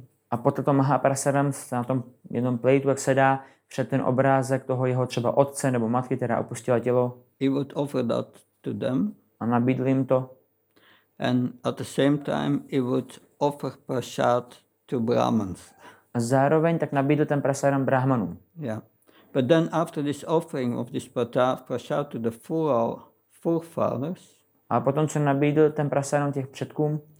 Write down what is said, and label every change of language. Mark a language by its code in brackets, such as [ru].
[cs] A poté to Mahaprasadam se na tom jednom plejtu, jak se dá, před ten obrázek toho jeho třeba otce nebo matky, která opustila tělo. [en] He would offer that to them. [cs] A nabídl jim to. [en] And at the same time he would offer prasad to Brahmans. [cs] A zároveň tak nabídl ten prasadam Brahmanům. [en] Yeah. But then after this offering of this prasad to the forefathers. [cs] A potom, co nabídl ten prasadam těch předkům.